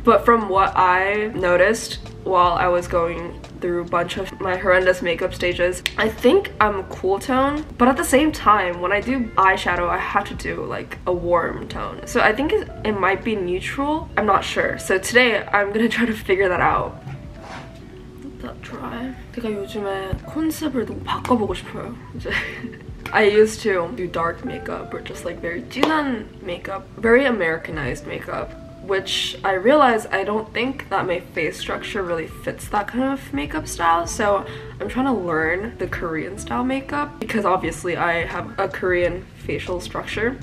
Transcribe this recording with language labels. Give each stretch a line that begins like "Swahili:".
English: But from what I noticed while I was going through a bunch of my horrendous makeup stages, I think I'm a cool tone. But at the same time, when I do eyeshadow, I have to do like a warm tone. So I think it might be neutral. I'm not sure. So today I'm gonna try to figure that out. That dry.
Korean: 제가 요즘에 컨셉을 좀 바꿔보고 싶어요. 이제.
English: I used to do dark makeup or just like very
Korean: 진한
English: makeup, very Americanized makeup, which I realized I don't think that my face structure really fits that kind of makeup style. So I'm trying to learn the Korean style makeup because obviously I have a Korean facial structure.